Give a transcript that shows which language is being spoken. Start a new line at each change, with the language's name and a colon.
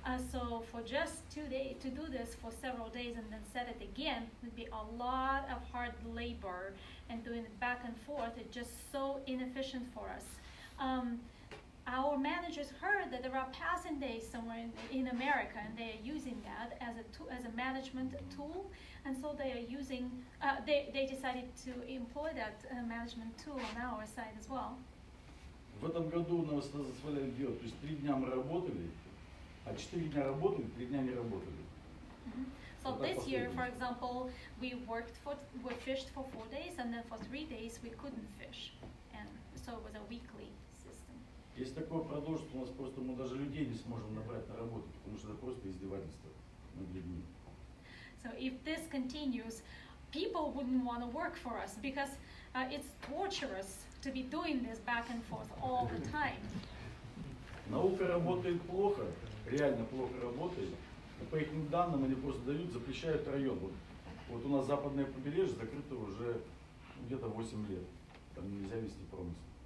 English: So for just 2 days, to do this for several days and then set it again would be a lot of hard labor, and doing it back and forth, it's just so inefficient for us. Our managers heard that there are passing days somewhere in America, and they are using that as a management tool, and so they are using, they decided to employ that management tool on our side as well.
Russian: В этом году у нас позволяли делать, то есть 3 дня мы работали, а 4 дня работали, 3 дня не работали. Mm-hmm.
English: So this year, for example, we worked for, we fished for 4 days, and then for 3 days we couldn't fish, and so it was a weekly system.
Russian: Если такое продолжится, у нас просто мы даже людей не сможем набрать на работу, потому что это просто издевательство над людьми.
English: So if this continues, people wouldn't want to work for us because it's torturous to be doing this back and forth all the time.
Russian: Наука работает плохо, реально плохо работает. И по их данным они просто дают, запрещают район. Вот у нас западное побережье закрыто уже где-то 8 лет. Там нельзя вести промысел.